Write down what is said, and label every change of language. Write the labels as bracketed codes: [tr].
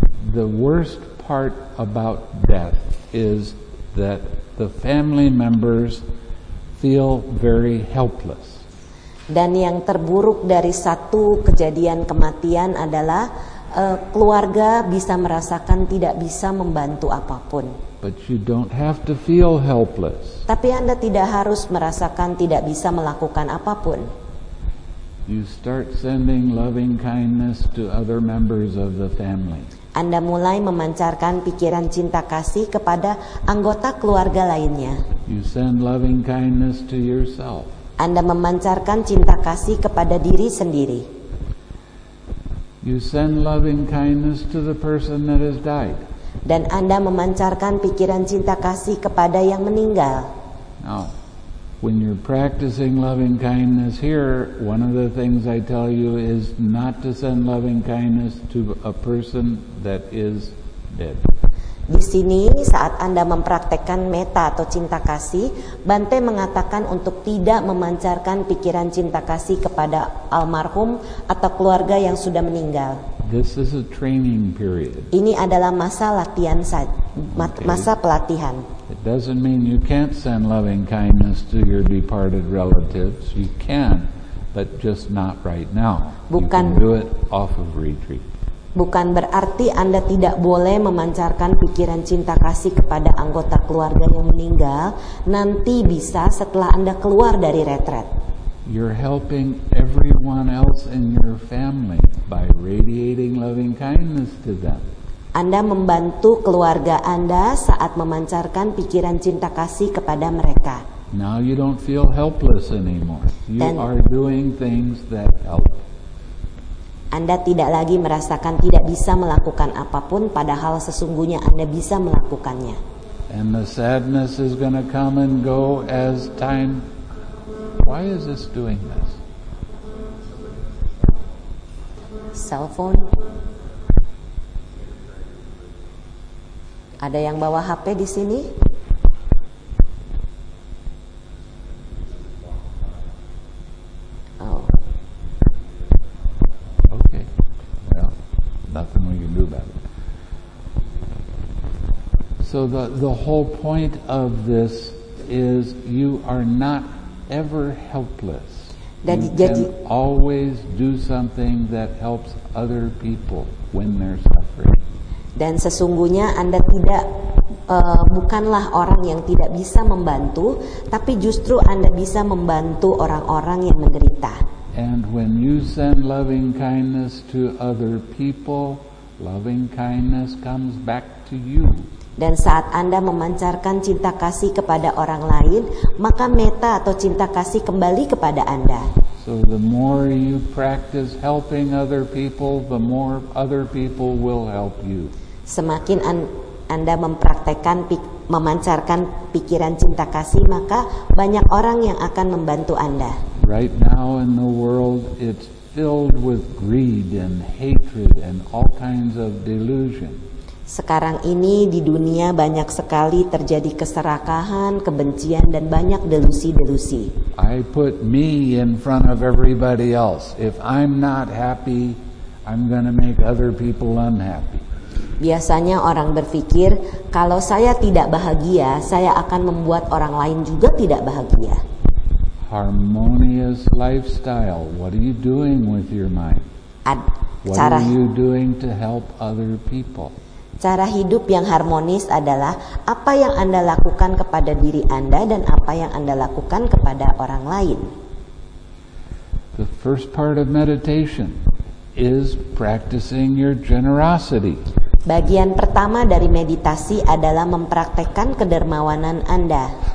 [en] The worst part about death is that the family members feel very helpless. [id] Dan yang terburuk dari satu kejadian kematian adalah keluarga bisa merasakan tidak bisa membantu apapun. [en] But you don't have to feel helpless. [id] Tapi Anda tidak harus merasakan tidak bisa melakukan apapun. [en] You start sending loving kindness to other members of the family. [id] Anda mulai memancarkan pikiran cinta kasih kepada anggota keluarga lainnya. [en] You send loving kindness to yourself. [id] Anda memancarkan cinta kasih kepada diri sendiri. [en] You send loving kindness to the person that has died. [id] Dan Anda memancarkan pikiran cinta kasih kepada yang meninggal. [en] Now, when you're practicing loving kindness here, one of the things I tell you is not to send loving kindness to a person that is dead. [id] Di sini saat Anda mempraktekkan metta atau cinta kasih, Bante mengatakan untuk tidak memancarkan pikiran cinta kasih kepada almarhum atau keluarga yang sudah meninggal. [en] This is a training period. [id] Ini adalah masa latihan, masa pelatihan. [en] It doesn't mean you can't send loving kindness to your departed relatives. You can, but just not right now. [id] Bukan, [en] you can do it off of retreat. [id] Bukan berarti Anda tidak boleh memancarkan pikiran cinta kasih kepada anggota keluarga yang meninggal, nanti bisa setelah Anda keluar dari retret. [en] You're helping everyone else in your family by radiating loving kindness to them. [id] Anda membantu keluarga Anda saat memancarkan pikiran cinta kasih kepada mereka. [en] Now you don't feel helpless anymore. You are doing things that help. [id] Anda tidak lagi merasakan tidak bisa melakukan apapun, padahal sesungguhnya Anda bisa melakukannya. [en] And the sadness is going to come and go as time. Why is this doing this? Cell phone. [id] Ada yang bawa HP di sini? [en] Oh. Okay. Well, nothing we can do about it. So the whole point of this is you are not ever helpless. You can always do something that helps other people when they're suffering. [id] Dan sesungguhnya Anda tidak bukanlah orang yang tidak bisa membantu, tapi justru Anda bisa membantu orang-orang yang menderita. [en] And when you send loving kindness to other people, loving kindness comes back to you. [id] Dan saat Anda memancarkan cinta kasih kepada orang lain, maka metta atau cinta kasih kembali kepada Anda. [en] So the more you practice helping other people, the more other people will help you. [id] Semakin Anda mempraktekkan memancarkan pikiran cinta kasih, maka banyak orang yang akan membantu Anda. [en] Right now in the world it's filled with greed and hatred and all kinds of delusion. [id] Sekarang ini di dunia banyak sekali terjadi keserakahan, kebencian, dan banyak delusi-delusi. [en] I put me in front of everybody else. If I'm not happy, I'm going to make other people unhappy. [id] Biasanya orang berpikir, kalau saya tidak bahagia, saya akan membuat orang lain juga tidak bahagia. [en] Harmonious lifestyle. What are you doing with your mind? What are you doing to help other people? [id] Cara hidup yang harmonis adalah apa yang Anda lakukan kepada diri Anda dan apa yang Anda lakukan kepada orang lain. [en] The first part of meditation, is practicing your generosity. [id] Bagian pertama dari meditasi adalah mempraktekkan kedermawanan Anda.